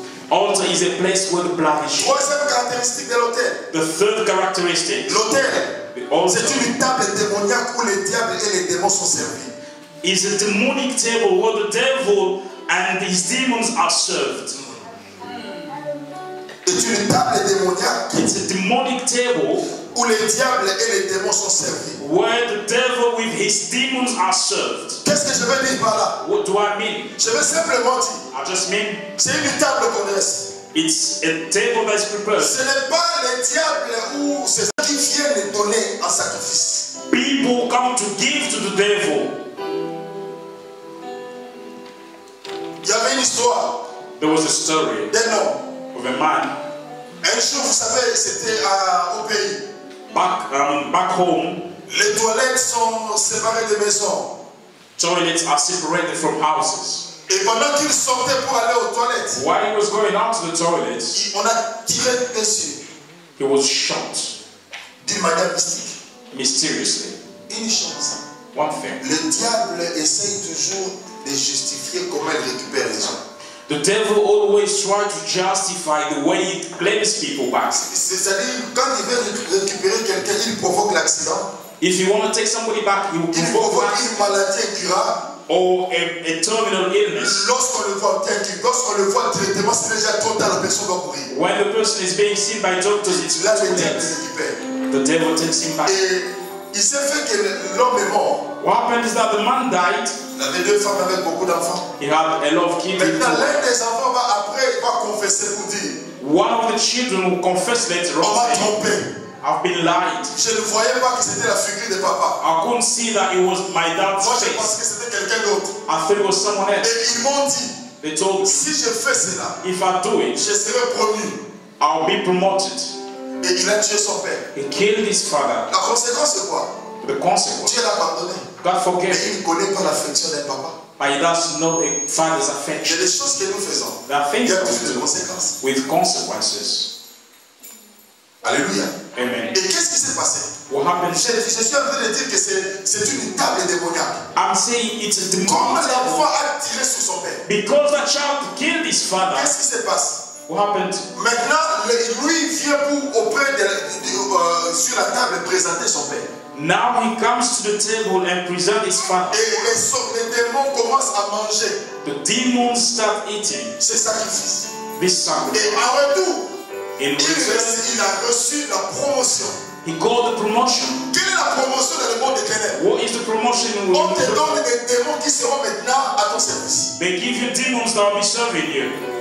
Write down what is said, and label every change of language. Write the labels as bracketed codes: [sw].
[en] Altar is a place where the blood is shed. [fr] Troisième caractéristique de l'autel. [en] The third characteristic. [fr] L'autel. C'est une table démoniaque où les diables et les démons sont servis. [en] Is a demonic table where the devil and his demons are served. [fr] C'est une table démoniaque. [en] It's a demonic table [fr] où les diables et les démons sont servis. [en] Where the devil with his demons are served. [fr] Qu'est-ce que je veux dire par là? [en] What do I mean? [fr] Je veux simplement dire. [en] I just mean. [fr] C'est une table qu'on laisse. [en] It's a table that's prepared. [fr] Ce n'est pas les diables ou ces gens qui viennent donner en sacrifice. [en] People come to give to the devil. [fr] Il y avait une histoire. [en] There was a story. Then, of a man. [fr] Un jour, vous savez, c'était au pays. [en] Back home. [fr] Les toilettes sont séparées des maisons. [en] Toilets are separated from houses. [fr] Et pendant qu'il sortait pour aller aux toilettes, [en] while he was going out to the toilet, [fr] on a tiré dessus. [en] He was shot. [fr] D'une manière mystique. [en] Mysteriously. [fr] Une chose. [en] One thing. [fr] Le diable essaye toujours de justifier comment il récupère les gens. [en] The devil always tries to justify the way he claims people back. [fr] C'est-à-dire, quand il veut récupérer quelqu'un, il provoque l'accident. [en] If you want to take somebody back, you will provoke [fr] une maladie incurable. [en] Or a terminal illness. [fr] Lorsqu'on le voit quelqu'un, lorsqu'on le voit directement, c'est déjà trop tard, la personne va mourir. [en] When the person is being seen by doctors, it's [fr] là, [en] too late. The devil takes him back. [fr] Et il s'est fait que l'homme est mort. [en] What happened is that the man died. [fr] Les deux femmes avaient beaucoup d'enfants. [en] He had a lot of kids. [fr] Maintenant, l'un des enfants va après va confesser pour dire. [en] One of the children will confess later on. [fr] On m'a trompé. [en] I've been lied. [fr] Je ne voyais pas que c'était la figure de papa. [en] I couldn't see that it was my dad's face. [fr] Moi, je pensais que c'était quelqu'un d'autre. [en] I thought it was someone else. [fr] Et ils m'ont dit. [en] They told me. [fr] Si je fais cela, [en] if I do it, [fr] je serai promu. [en] I'll be promoted. [fr] Et il a tué son père. [en] He killed his father. [fr] La conséquence est quoi? [en] The consequence. [fr] Dieu l'a pardonné. [en] God forgave. [fr] Mais il ne connaît pas l'affection d'un papa. [en] But he does know a father's affection. [fr] Il y a des choses que nous faisons. [en] There are things we do. With consequences. Alléluia. Amen. [fr] Et qu'est-ce qui s'est passé? [en] What happened? [fr] Je suis en train de dire que c'est une table démoniaque. [en] I'm saying it's a demon. [fr] Comme l'enfant a tiré sur son père. [en] Because the child killed his father. [fr] Qu'est-ce qui s'est passé? [en] What happened? [fr] Maintenant, lui vient pour auprès de sur la table présenter son père. [en] Now he comes to the table and presents his father. [fr] Et les démons commencent à manger. [en] The demons start eating. [fr] Ce sacrifice. [en] This sacrifice. [fr] Et en retour, il a reçu la promotion. [en] He called the promotion. [fr] Quelle est la promotion dans le monde des ténèbres? [en] What is the promotion in the world? [fr] On te donne des démons qui seront maintenant à ton service. [en] They give you demons that will be serving you.